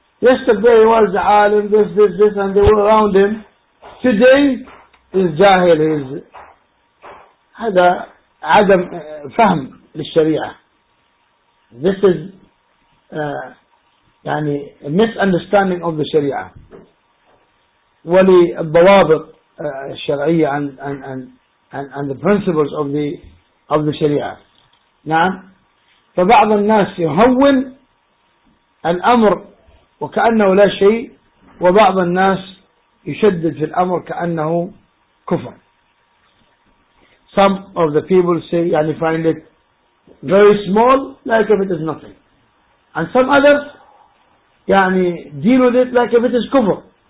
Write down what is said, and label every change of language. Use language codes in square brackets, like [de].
[en] Yesterday was the عالم this and they were around him. Today is [ar] جاهل [en] is [ar] هذا عدم فهم للشريعة. [en] This is [ar] يعني [en] misunderstanding of the شريعة [ar] وللضوابط الشرعية [en] and the principles of the شريعة. [ar] نعم. فبعض الناس يهون الأمر وكأنه لا شيء، وبعض الناس يشدد في الأمر كأنه كفر. [en] Some of the people say [ar] يعني [en] find it very small like if it is nothing. And some others [ar] يعني [en] deal with it like if it is كفر.